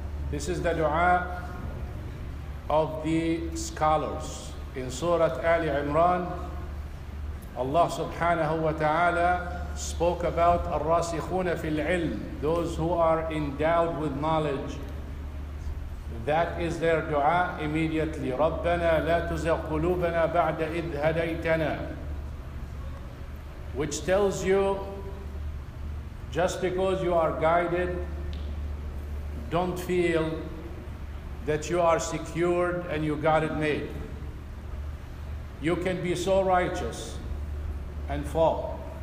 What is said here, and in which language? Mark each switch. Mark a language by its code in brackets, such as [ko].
[en] This is the dua of the scholars. In Surah Ali Imran, Allah subhanahu wa ta'ala spoke about [ar] الراسخون في العلم, [en] those who are endowed with knowledge. That is their dua immediately. [ar] ربنا لا تزغ قلوبنا بعد إذ هديتنا. [en] Which tells you, just because you are guided, don't feel that you are secured and you got it made. You can be so righteous and fall.